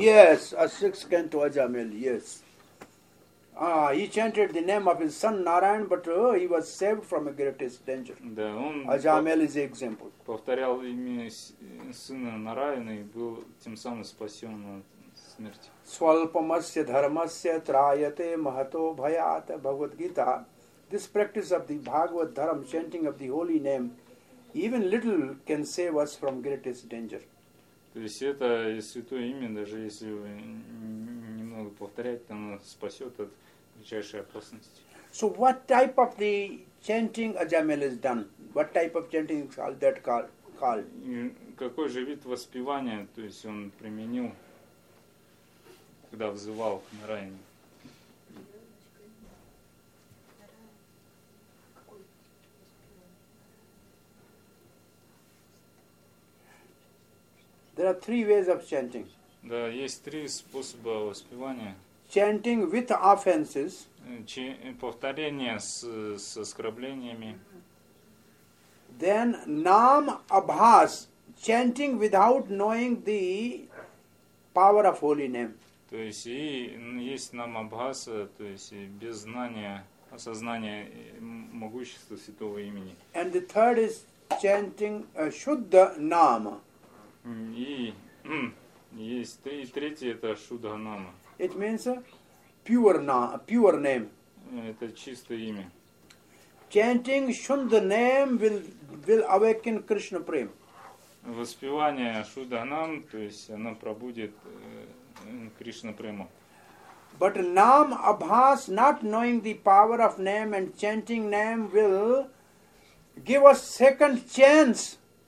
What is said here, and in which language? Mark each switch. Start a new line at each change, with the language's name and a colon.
English: Yes, a sixth canto Ajamila, yes. He chanted the name of his son Narayan, but he was saved from a greatest danger.
Russian: Да,
English: Ajamila is the example.
Russian: Повторял имя сына Нараяна и был тем самым спасен от смерти.
Sanskrit: Свалпамасья дхармасья траяте махато бхаят
Russian: Бхагавад Гита.
English: This practice of the Bhagavad Dharam, chanting of the holy name, even little can save us from greatest danger.
Russian: То есть это святое имя, даже если вы немного повторять, оно спасет от величайшей опасности.
English: So what type of the chanting Ajamila is done? What type of chanting is all that called?
Russian: И какой же вид воспевания, то есть он применил, когда взывал на Нараяну?
English: There are three ways of chanting.
Russian: Да, есть три способа воспевания.
English: Chanting with offenses.
Russian: Повторение с оскорблениями.
English: Then nam abhas, chanting without knowing the power of holy name.
Russian: То есть и есть нам абхас, то есть без знания, осознания могущества святого имени.
English: And the third is chanting shuddha nam.
Russian: И есть третий, это Шудха Нама.
English: It means pure name.
Russian: Это чистое имя.
English: Chanting Shuddha name will awaken Krishna Prem.
Russian: Воспевание Шудха Нам, то есть оно пробудит Кришна Прему.
English: But Naam Abhas, not knowing the power of name and chanting name, will give us second chance.